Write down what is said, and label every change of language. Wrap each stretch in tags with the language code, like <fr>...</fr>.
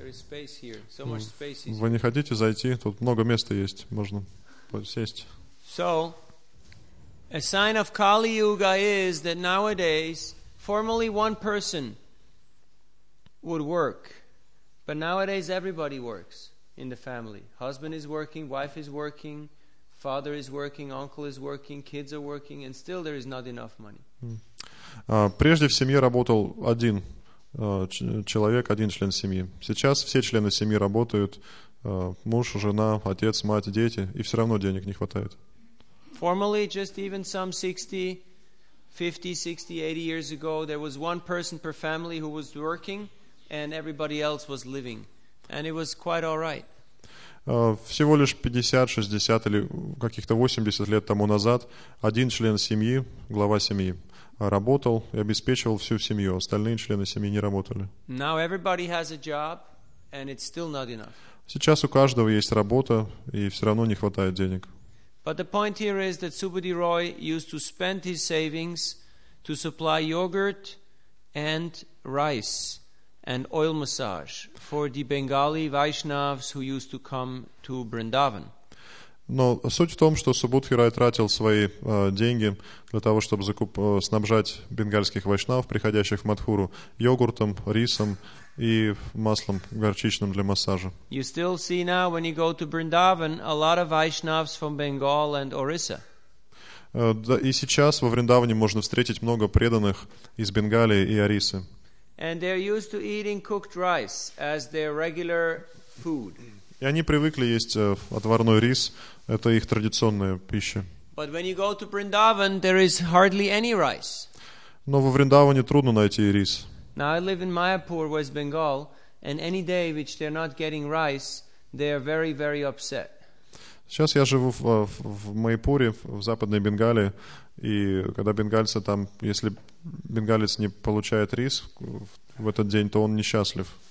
<ru>Вы не хотите зайти? Тут много места есть, можно сесть.</ru> <en>So, a sign of Kali Yuga is that nowadays, formerly one person would work, but nowadays everybody works. In the family, husband is working, wife is working, father is working, uncle is working, kids are working, and still there is not enough money.</en> <ru>Прежде в семье работал один человек, один член семьи. Сейчас все члены семьи работают: муж, жена, отец, мать, дети, и все равно денег не хватает.</ru> <en>Formerly, just even some 60, 80 years ago, there was one person per family who was working, and everybody else was living. And it was quite all right.</en> <ru>Всего лишь 50, 60 или каких-то 80 лет тому назад один член семьи, глава семьи, работал и обеспечивал всю семью. Остальные члены семьи не работали.</ru> <en>Now everybody has a job, and it's still not enough.</en> <ru>Сейчас у каждого есть работа, и все равно не хватает денег.</ru> <en>But the point here is that Subhadi Roy used to spend his savings to supply yogurt and rice. And oil massage for the Bengali Vaishnavas who used to come to Vrindavan.</en> <ru>Но суть в том, что Субудхи Рай тратил свои деньги для того, чтобы снабжать бенгальских вайшнав, приходящих в Мадхуру, йогуртом, рисом и маслом горчичным для массажа.</ru> <en>You still see now when you go to Vrindavan a lot of Vaishnavas from Bengal and Orissa.</en> <ru>И сейчас во Вриндаване можно встретить много преданных из Бенгалии и Орисы.</ru> <en>And they're used to eating cooked rice as their regular food.</en> <ru>И они привыкли есть отварной рис. Это их традиционная пища.</ru> <en>But when you go to Vrindavan, there is hardly any rice.</en> <ru>Но во Вриндаване трудно найти рис.</ru> <en>Now I live in Mayapur, West Bengal, And any day which they're not getting rice, they are very, very upset.</en> <ru>Сейчас я живу в Майпуре, в Западной Бенгалии, и когда бенгальцы там, если бенгалец не получает рис в этот день, то он несчастлив.</ru>